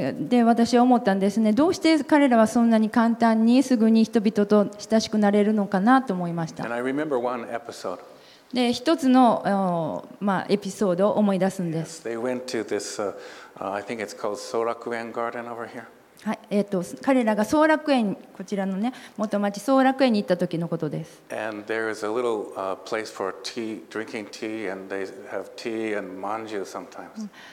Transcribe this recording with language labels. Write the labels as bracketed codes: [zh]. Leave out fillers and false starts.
[ja] で私は思ったんですね。どうして彼らはそんなに簡単にすぐに人々と親しくなれるのかなと思いました。 [en] And I remember one episode. [ja] で一つの、まあ、エピソードを思い出すんです。 [en] Yes, they went to this, I think it's called Sorakuen Garden over here. [ja] はい、彼らが早楽園こちらのね元町早楽園に行った時のことです。 [en] And there is a little, place for tea, drinking tea, and they have tea and manju sometimes.